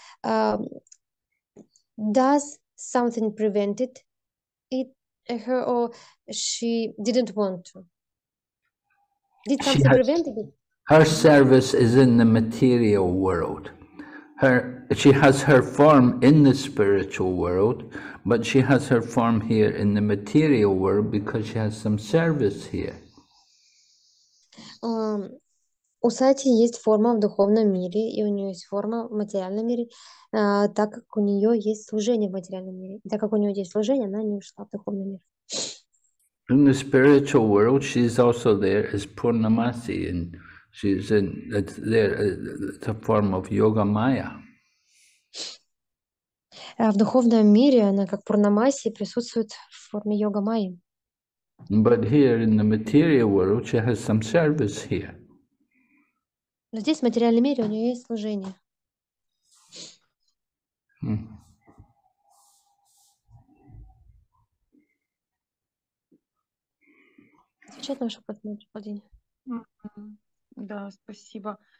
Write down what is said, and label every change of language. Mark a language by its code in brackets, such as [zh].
[en] Does something prevent it her, or she didn't want to? Did something prevent it? Her service is in the material world. She has her form in the spiritual world, but she has her form here in the material world because she has some service here. [ru] У Сати есть форма в духовном мире, и у нее есть форма в материальном мире, так как у нее есть служение в материальном мире. И так как у нее есть служение, она не ушла в духовный мир. [en] In the spiritual world, she's also there as Purnamasi, and she's in there as a form of yoga maya. [ru] В духовном мире она как Пурнамаси присутствует в форме йога майи. [en] But here in the material world, she has some service here. [ru] Но здесь, в материальном мире, у нее есть служение. Отвечать на ваш вопрос, Владимир. Да, спасибо.